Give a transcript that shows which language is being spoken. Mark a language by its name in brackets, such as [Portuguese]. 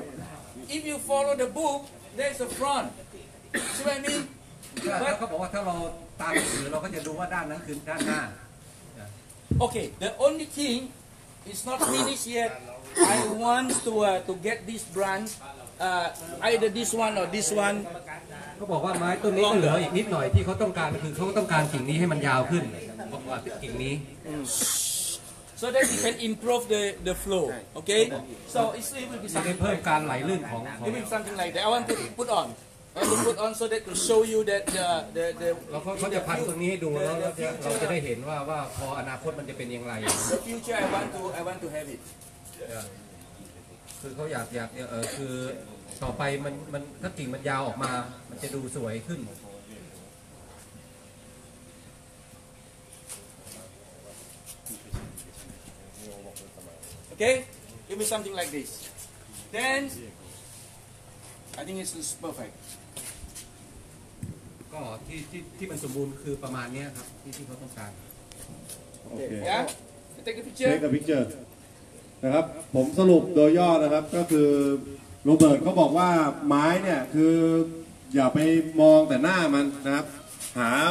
[English] So if you follow the book, there's a front. See what I mean? But... [Thai] เขาบอกว่าถ้าเราตามหนังสือเราก็จะดูว่าด้านนั้นคือด้านหน้า [English] Okay, the only thing is not finished yet. I want to get this branch, either this one or this one. [Thai] เขาบอกว่าไม้ต้นนี้เหลืออีกนิดหน่อยที่เขาต้องการคือเขาต้องการกิ่งนี้ให้มันยาวขึ้นมากกว่ากิ่งนี้ [English] So that you can improve the flow. Okay. So it will be something. [Thai] จะเพิ่มการไหลลื่นของ [English] It will be something like that. I want to put on. I put on so that to show you that the [Thai] เขาจะพันตรงนี้ให้ดูแล้วเราจะได้เห็นว่าพออนาคตมันจะเป็นยังไง [English] The future I want to have it [Thai] คือเขาอยากคือต่อไปมันถ้ากิ่งมันยาวออกมามันจะดูสวยขึ้น [English] Okay give me something like this then I think it's perfect [Thai] ก็ที่มันสมบูรณ์คือประมาณนี้ครับที่เขาต้องการ โอเค [English] ยะ take a picture [Thai] นะครับผมสรุปโดยย่อนะครับก็คือโรเบิร์ตเขาบอกว่าไม้เนี่ยคืออย่าไปมองแต่หน้ามันนะครับหา